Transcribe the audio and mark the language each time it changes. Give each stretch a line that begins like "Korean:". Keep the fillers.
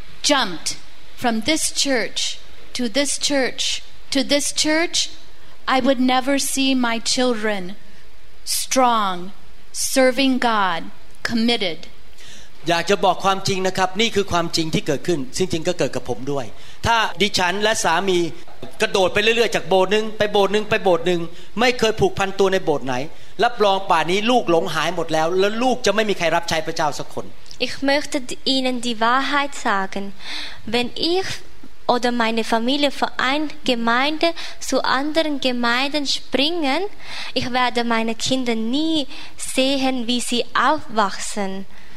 English: jumped from this church to this church to this church I would never see my children strong serving God committed
Thai: อยากจะบอกความจริงนะครับนี่คือความจริงที่เกิดขึ้นซึ่งจริงก็เกิดกับผมด้วย ถ้าดิฉันและสามีกระโดดไปเรื่อยๆจากโบสถ์นึงไปโบสถ์นึงไปโบสถ์นึงไม่เคยผูกพันตัวในโบสถ์ไหนรับรองป่านี้ลูกหลงหายหมดแล้ว แล้วลูกจะไม่มีใครรับใช้พระเจ้าสักคน
German: Ich möchte Ihnen die Wahrheit sagen. Wenn ich oder meine Familie von einer Gemeinde zu anderen Gemeinden springen, ich werde meine Kinder nie sehen, wie sie aufwachsen.